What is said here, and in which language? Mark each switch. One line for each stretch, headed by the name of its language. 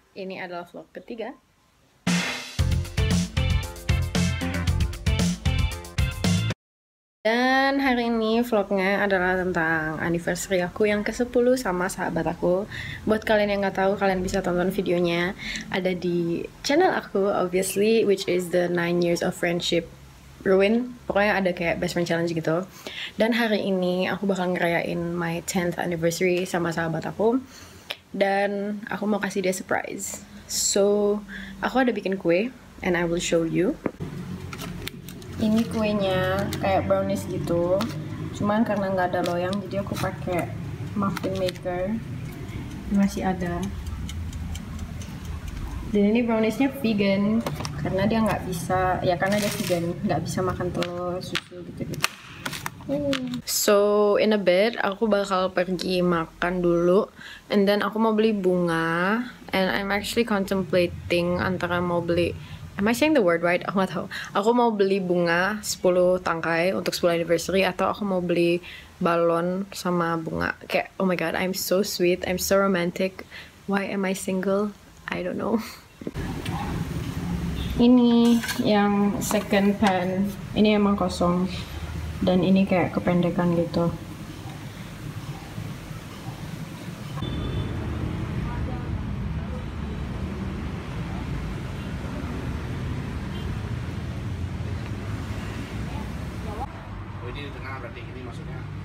Indonesian: Ini adalah vlog ketiga. Dan hari ini vlognya adalah tentang anniversary aku yang ke-10 sama sahabat aku. Buat kalian yang gak tahu, kalian bisa tonton videonya. Ada di channel aku,
English: obviously, which is the 9 years of friendship.
Indonesian: Ruin, pokoknya ada kayak best friend challenge gitu. Dan hari ini aku bakal ngerayain
English: my 10th anniversary
Indonesian: sama sahabat aku. Dan aku mau kasih dia surprise.
English: So,
Indonesian: aku ada bikin kue
English: and I will show you.
Indonesian: Ini kuenya kayak brownies gitu. Cuman karena nggak ada loyang, jadi aku pakai muffin maker. Masih ada. Dan ini browniesnya vegan. Karena dia nggak bisa, ya karena dia vegan, nggak bisa makan telur, susu, gitu-gitu.
English: So, in a bit,
Indonesian: aku bakal pergi makan dulu.
English: And then
Indonesian: aku mau beli bunga.
English: And I'm actually contemplating
Indonesian: antara mau beli,
English: am I saying the word right?
Indonesian: Aku nggak tahu. Aku mau beli bunga 10 tangkai untuk 10 anniversary. Atau aku mau beli balon sama bunga.
English: Kayak, oh my god, I'm so sweet, I'm so romantic. Why am I single? I don't know.
Indonesian: Ini yang
English: second pan,
Indonesian: ini emang kosong dan ini kayak kependekan gitu. Oh ini di tengah berarti ini maksudnya?